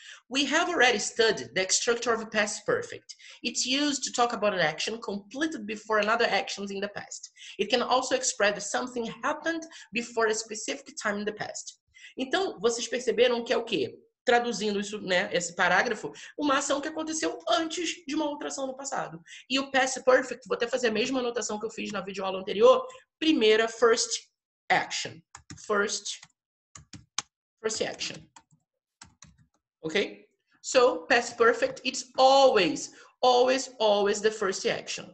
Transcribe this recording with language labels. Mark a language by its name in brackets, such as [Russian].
[English] We have already studied the structure of the past perfect. It's used to talk about an action completed before another action in the past. It can also express that something happened before a specific time in the past. [Portuguese] Então, vocês perceberam que é o quê? Traduzindo isso, né, esse parágrafo, uma ação que aconteceu antes de uma outra ação no passado. E o past perfect, vou até fazer a mesma anotação que eu fiz na videoaula anterior, primeira, first action. [English] First action. Ok? So, past perfect, it's always the first action.